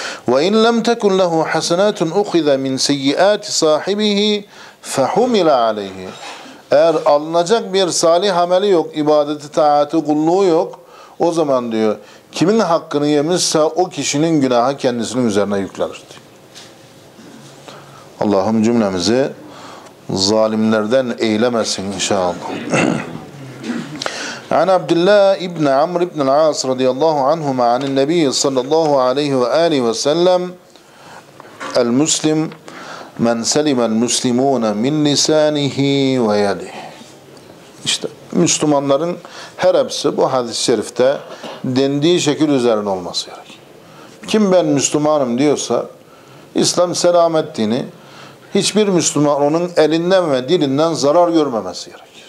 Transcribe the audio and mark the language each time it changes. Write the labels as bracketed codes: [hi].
[ar] وَاِنْ لَمْ تَكُنْ لَهُ حَسَنَاتٌ اُخِذَ مِنْ سَيِّئَاتِ صَاحِبِهِ فَحُمِلَ عَلَيْهِ [tr] Eğer alınacak bir salih ameli yok, ibadeti, taati, kulluğu yok, o zaman diyor, kimin hakkını yemişse o kişinin günahı kendisinin üzerine yüklenir diyor. Allah'ım cümlemizi zalimlerden eylemesin inşallah. [ar] عن عبد الله ابن عمرو ابن العاص رضي الله عنهما عن النبي صلى الله عليه وآله وسلم المسلم من سلم المسلمون من لسانه ويده. [tr] İşte Müslümanların her hepsi bu hadis-i şerifte dendiği şekil üzerine olması gerek. Kim ben Müslümanım diyorsa, İslam selamet dini, hiçbir Müslüman onun elinden ve dilinden zarar görmemesi gerekir.